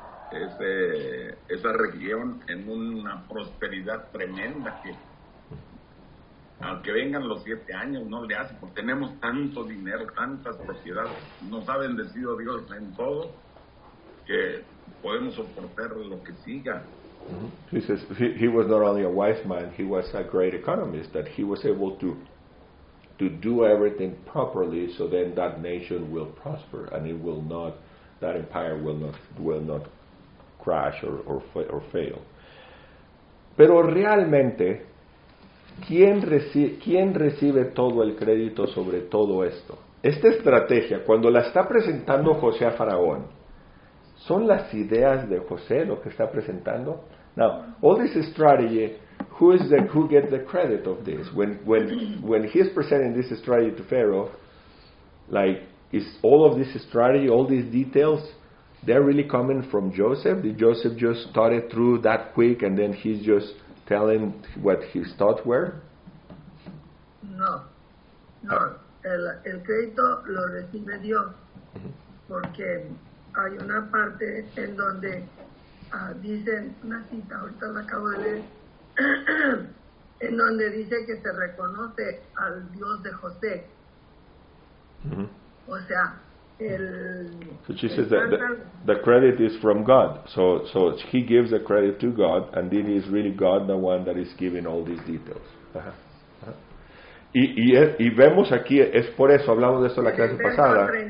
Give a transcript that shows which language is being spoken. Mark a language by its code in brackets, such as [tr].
[es] esa región en una prosperidad tremenda, que aunque vengan los siete años no le hace, porque tenemos tanto dinero, tantas propiedades, nos ha bendecido Dios en todo, que podemos soportar lo que siga. Mm-hmm. [en] He says he was not only a wise man, he was a great economist, that he was able to do everything properly, so then that nation will prosper and it will not, that empire will not crash or fail. [es] Pero realmente, ¿quién recibe todo el crédito sobre todo esto? Esta estrategia, cuando la está presentando José a Faraón, ¿son las ideas de José lo que está presentando? [en] Now, all this strategy, who gets the credit of this? When he's presenting this strategy to Pharaoh, like, is all of this strategy, all these details, they're really coming from Joseph? Did Joseph just thought it through that quick and then he's just telling what his thoughts were? [es] No. El crédito lo recibe Dios. Porque hay una parte en donde dicen una cita, ahorita la acabo de leer, en donde dice que se reconoce al Dios de José. Mm-hmm. O sea, [en] So she says that the credit is from God. So he gives the credit to God, and it is really God the one that is giving all these details. [es] Y vemos aquí, es por eso, hablamos de esto la clase pasada.